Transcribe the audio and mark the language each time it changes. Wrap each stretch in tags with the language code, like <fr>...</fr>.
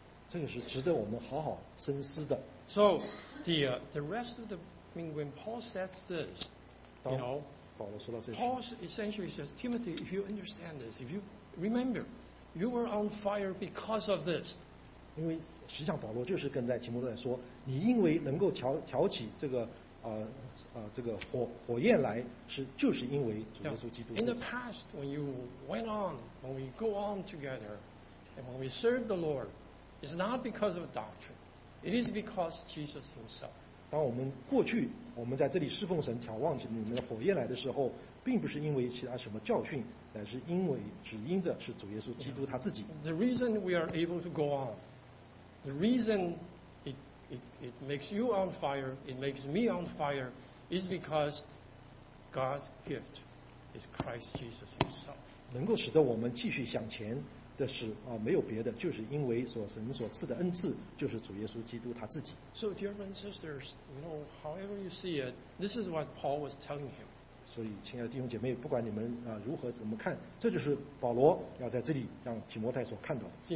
<zh>这个是值得我们好好深思的。</zh> <en>So, the rest of the, I mean, when Paul says this, you know,</en> <zh>当保罗说到这些,</zh> <en>Paul essentially says, Timothy, if you understand this, if you remember, you were on fire because of this.</en> <zh>因为实际上保罗就是跟在提摩太说, 你因为能够挑起这个, 这个火焰来, 就是因为主耶稣基督。</zh> <en>In the past, when you went on, when we go on together, and when we serve the Lord, it's not because of doctrine, it is because Jesus himself.</en> <zh>当我们过去, 我们在这里侍奉神, 眺望你们的火焰来的时候, 并不是因为其他什么教训, 乃是因为只因着是主耶稣基督他自己。</zh> <en>The reason we are able to go on, the reason it makes you on fire, it makes me on fire, is because God's gift is Christ Jesus himself.</en> <zh>能够使得我们继续向前, 这是, 没有别的, 就是因为所神所赐的恩赐, 就是主耶稣基督他自己。</zh> <en>So, dear brothers and sisters, you know, however you see it, this is what Paul was telling him.</en> <zh>所以亲爱的弟兄姐妹, 不管你们, 如何怎么看, 这就是保罗要在这里让提摩太所看到的。</zh>